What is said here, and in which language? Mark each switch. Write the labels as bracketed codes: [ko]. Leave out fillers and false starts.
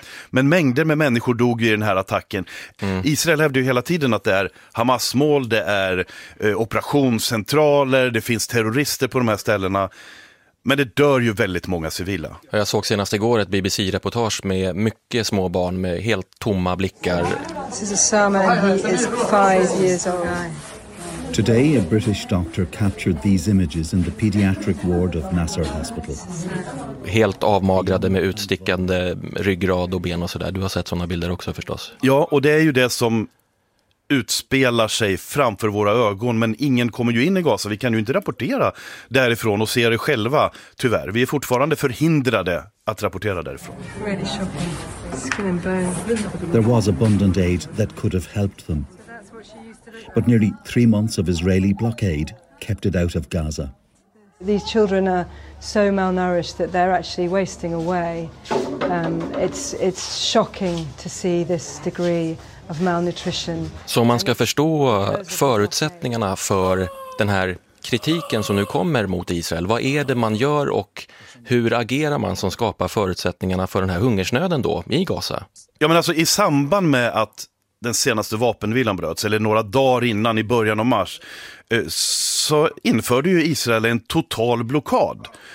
[sv] Men mängder med människor dog i den här attacken. Mm. Israel hävdar ju hela tiden att det är Hamas-mål, det är operationscentraler, det finns terrorister på de här ställena. Men det dör ju väldigt många civila. Jag såg senast igår ett BBC-reportage med mycket små barn med helt tomma blickar. [en] This is a summer and he is 5 years old. Today a British doctor captured these images in the pediatric ward of Nasser Hospital. [sv] Helt avmagrade med utstickande ryggrad och ben och sådär. Du har sett sådana bilder också förstås. Ja, och det är ju det som utspelar sig framför våra ögon, men ingen kommer ju in i Gaza. Vi kan ju inte rapportera därifrån och se det själva, tyvärr. Vi är fortfarande förhindrade att rapportera därifrån. [en] There was abundant aid that could have helped them. But nearly 3 months of Israeli blockade kept it out of Gaza. These children are so malnourished that they're actually wasting away. It's shocking to see this degree of malnutrition. [sv] Så man ska förstå förutsättningarna för den här kritiken som nu kommer mot Israel. Vad är det man gör och hur agerar man som skapar förutsättningarna för den här hungersnöden då i Gaza? Ja, men alltså i samband med att den senaste vapenvilan bröts, eller några dagar innan i början av mars, så införde ju Israel en total blockad.